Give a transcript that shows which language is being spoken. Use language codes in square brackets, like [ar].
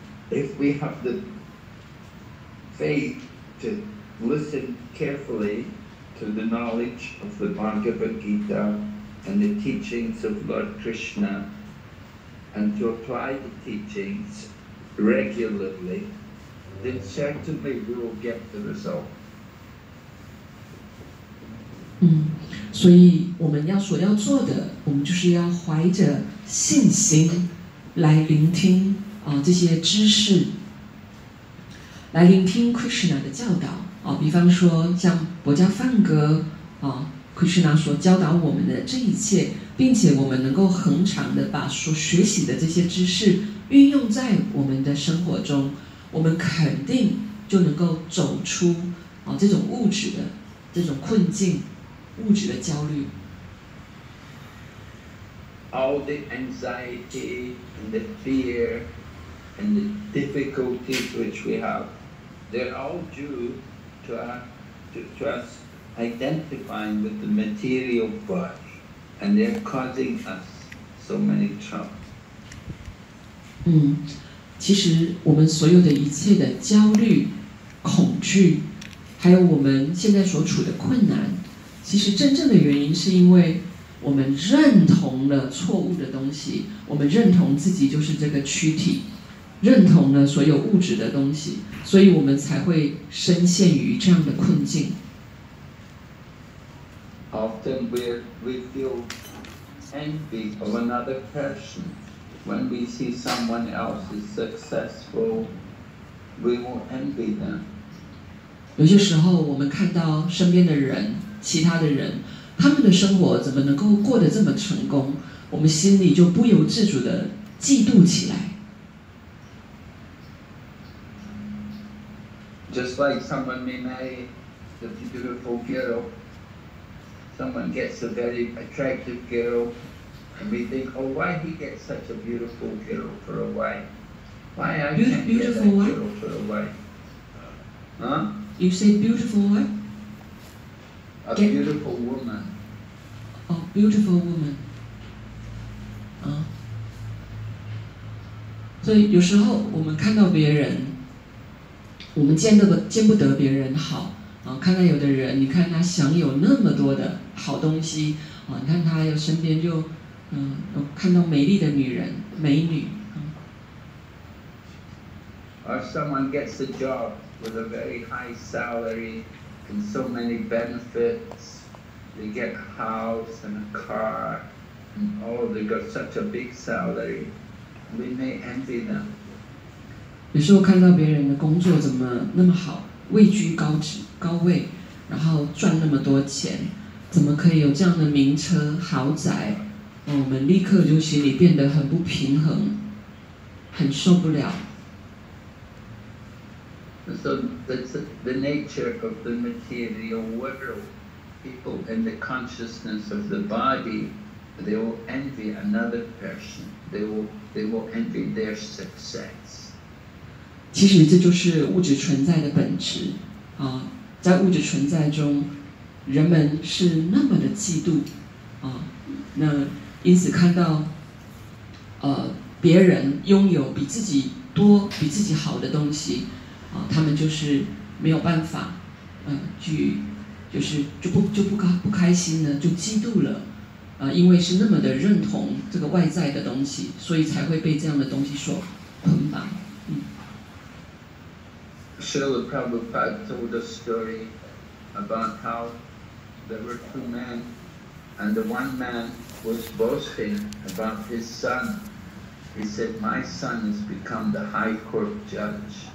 [en] If we have the faith to listen carefully to the knowledge of the Bhagavad Gita and the teachings of Lord Krishna and to apply the teachings regularly, then certainly we will get the result. [zh] 所以我们要所要做的，我们就是要怀着信心来聆听这些知识，来聆听 Krishna 的教导比方说像薄伽梵歌Krishna 所教导我们的这一切，并且我们能够恒常的把所学习的这些知识运用在我们的生活中，我们肯定就能够走出这种物质的这种困境。物质的焦虑 [en] ，all the anxiety and the fear and the difficulties which we have, they're all due to us identifying with the material body, and they're causing us so many troubles. [zh] 其实我们所有的一切的焦虑、恐惧，还有我们现在所处的困难。其实真正的原因是因为我们认同了错误的东西，我们认同自己就是这个躯体，认同了所有物质的东西，所以我们才会深陷于这样的困境。 [en] Often we feel envy of another person. When we see someone else is successful, we will envy them. [zh] 有些时候我们看到身边的人其他的人，他们的生活怎么能够过得这么成功？我们心里就不由自主的嫉妒起来。 [en] Just like someone may marry the beautiful girl, someone gets a very attractive girl, and we think, oh, why he gets such a beautiful girl for a wife? Why I can't get that girl for a wife? Huh? You say beautiful what? A beautiful woman. Oh, beautiful woman. [zh] 所以有时候我们看到别人，我们见不得别人好看到有的人，你看他享有那么多的好东西你看他有身边就看到美丽的女人、美女。 [en] Or someone gets a job with a very high salary. And so many benefits. They get a house and a car, and oh, they got such a big salary. We may envy them. [zh] 有时候看到别人的工作怎么那么好，位居高职高位，然后赚那么多钱，怎么可以有这样的名车豪宅？我们立刻就心里变得很不平衡，很受不了。 [en] So that's the nature of the material world. People in the consciousness of the body, they will envy another person. They will envy their success. [zh] 其实这就是物质存在的本质在物质存在中，人们是那么的嫉妒，啊，那因此看到别人拥有比自己多比自己好的东西啊，他们就是没有办法去就是就不开心了，就嫉妒了因为是那么的认同这个外在的东西，所以才会被这样的东西所捆绑。 [en] Srila Prabhupada told a story about how there were two men, and the one man was boasting about his son. He said, "My son has become the high court judge."